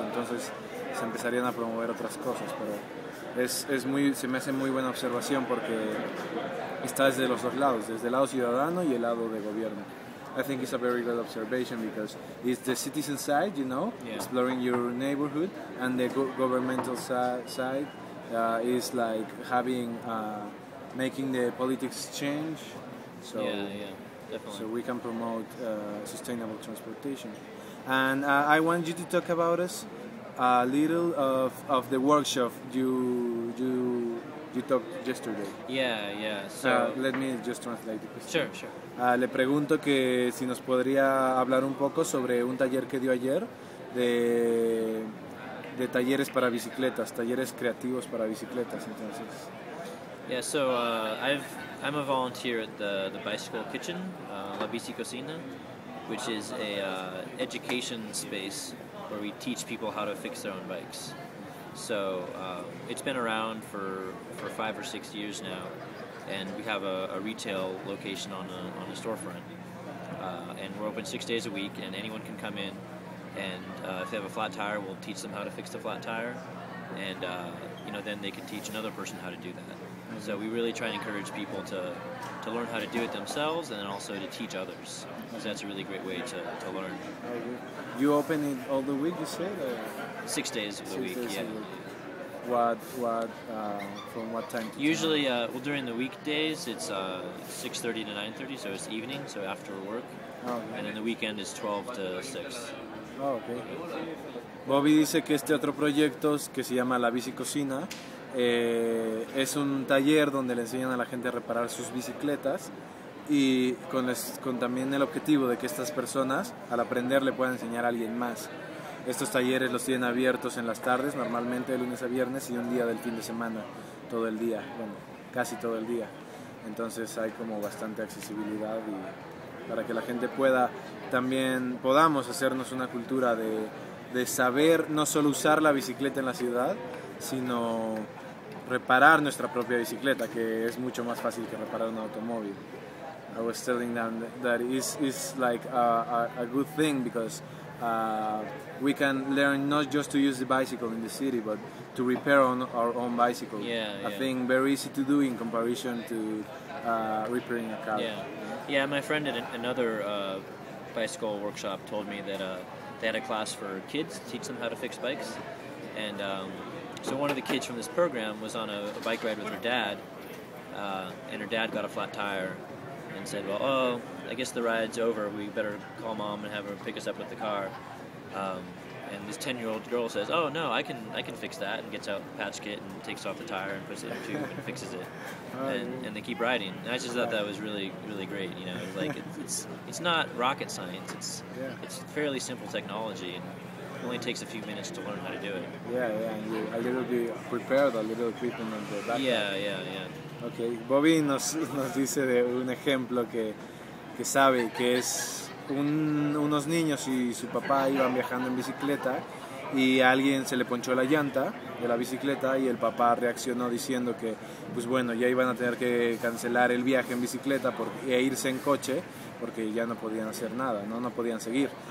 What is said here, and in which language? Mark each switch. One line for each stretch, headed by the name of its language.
Spanish: Entonces se empezarían a promover otras cosas, pero se me hace muy buena observación, porque está desde los dos lados, desde el lado ciudadano y el lado de gobierno.
English: I think it's a very good observation, because it's the citizen side, you know, exploring your neighborhood, and the governmental side is like having, making the politics change, so definitely. So we can promote sustainable transportation. And I want you to talk about us a little of the workshop you talked yesterday. Yeah, yeah. So let me just translate the question. Sure, sure.
Spanish: Le pregunto que si nos podría hablar un poco sobre un taller que dio ayer de talleres para bicicletas, talleres creativos para bicicletas, entonces.
English: Yeah, so I'm a volunteer at the Bicycle Kitchen, La Bici Cocina, which is a education space where we teach people how to fix their own bikes. So it's been around for 5 or 6 years now. And we have a retail location on a storefront. And we're open 6 days a week, and anyone can come in. And if they have a flat tire, we'll teach them how to fix the flat tire. And you know, then they can teach another person how to do that. Mm-hmm. So we really try and encourage people to learn how to do it themselves, and then also to teach others. Because that's a really great way to learn. You open it all the week, you said? 6 days of the week, yeah. From what time to usually time? Well, during the weekdays it's 6:30 to 9:30, so it's evening, so after work. Okay. And then the weekend is 12 to 6. Oh, okay.
Spanish: Bobby dice que este otro proyecto, que se llama La Bici Cocina, es un taller donde le enseñan a la gente a reparar sus bicicletas, y con también el objetivo de que estas personas al aprender le puedan enseñar a alguien más. Estos talleres los tienen abiertos en las tardes, normalmente de lunes a viernes, y un día del fin de semana, todo el día, bueno, casi todo el día. Entonces hay como bastante accesibilidad, y para que la gente pueda, también podamos hacernos una cultura de saber no solo usar la bicicleta en la ciudad, sino reparar nuestra propia bicicleta, que es mucho más fácil que reparar un automóvil.
English: I was telling them that it's like a good thing, because we can learn not just to use the bicycle in the city, but to repair on our own bicycle. Yeah, I think very easy to do in comparison to repairing a car. Yeah, yeah. My friend at another bicycle workshop told me that they had a class for kids to teach them how to fix bikes, and so one of the kids from this program was on a bike ride with her dad, and her dad got a flat tire and said, "Well, oh, I guess the ride's over. We better call mom and have her pick us up with the car." And this 10-year-old girl says, "Oh no, I can fix that," and gets out the patch kit and takes off the tire and puts it in the tube and fixes it. And they keep riding. And I just thought that was really, really great. You know, like it's not rocket science. It's fairly simple technology. And it only takes a few minutes to learn how to do it. Yeah, yeah. And you a little bit prepared, a little equipment on the back. Yeah. Okay.
Spanish: Bobby nos dice de un ejemplo que sabe que es unos niños y su papá iban viajando en bicicleta, y a alguien se le ponchó la llanta de la bicicleta, y el papá reaccionó diciendo que pues bueno, ya iban a tener que cancelar el viaje en bicicleta e irse en coche, porque ya no podían hacer nada, no podían seguir.